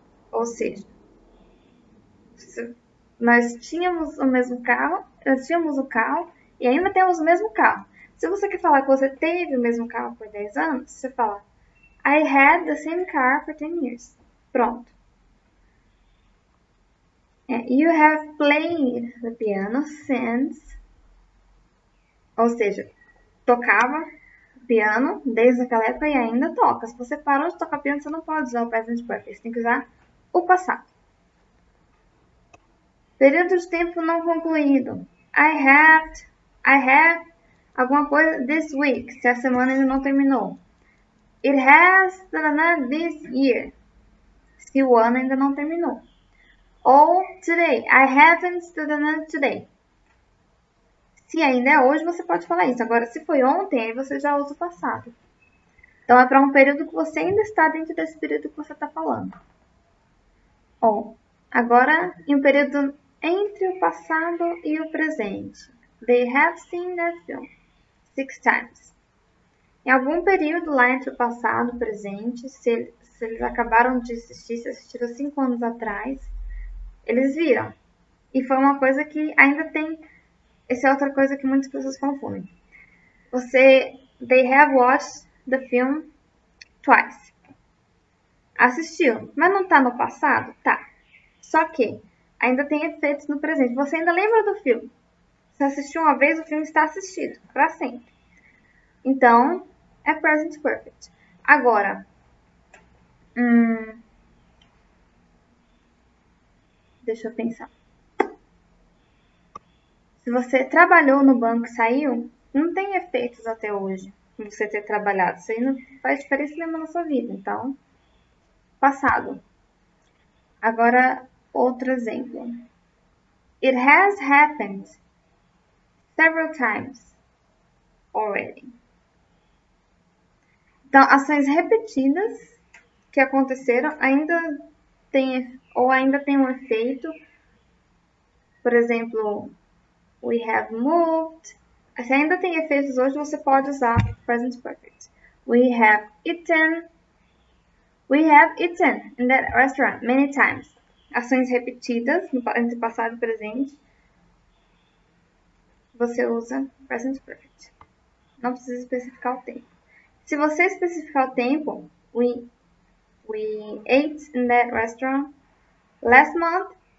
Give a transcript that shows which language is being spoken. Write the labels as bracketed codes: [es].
[pt] Ou seja, nós tínhamos o mesmo carro, nós tínhamos o carro e ainda temos o mesmo carro. Se você quer falar que você teve o mesmo carro por 10 anos, você fala, [en] I had the same car for 10 years. [pt] Pronto. [en] You have played the piano since. [pt] Ou seja, tocava piano desde aquela época e ainda toca. Se você parou de tocar piano, você não pode usar o present perfect. Você tem que usar o passado. Período de tempo não concluído. I have alguma coisa [en] this week, [pt] se a semana ainda não terminou. [en] It has this year, [pt] se o ano ainda não terminou. Ou [en] today, I haven't today. [pt] Se ainda é hoje, você pode falar isso. Agora, se foi ontem, aí você já usa o passado. Então, é para um período que você ainda está dentro desse período que você está falando. Bom, agora, em um período entre o passado e o presente. [en] They have seen that film 6 times. [pt] Em algum período lá entre o passado e o presente, se eles acabaram de assistir, se assistiram 5 anos atrás, eles viram. E foi uma coisa que ainda tem. Essa é outra coisa que muitas pessoas confundem. [en] They have watched the film twice. [pt] Assistiu, mas não tá no passado? Tá. Só que ainda tem efeitos no presente. Você ainda lembra do filme? Você assistiu uma vez, o filme está assistido para sempre. Então, é present perfect. Agora, deixa eu pensar. Se você trabalhou no banco e saiu, não tem efeitos até hoje você ter trabalhado. Isso aí não faz diferença nenhuma na sua vida. Então, passado. Agora, outro exemplo. [en] It has happened several times already. [pt] Então, ações repetidas que aconteceram ainda tem um efeito. Por exemplo, [en] we have moved. [pt] Se ainda tem efeitos hoje, você pode usar present perfect. [en] We have eaten in that restaurant many times. [pt] Ações repetidas no passado e presente, você usa present perfect. Não precisa especificar o tempo. Se você especificar o tempo, [en] we ate in that restaurant last month.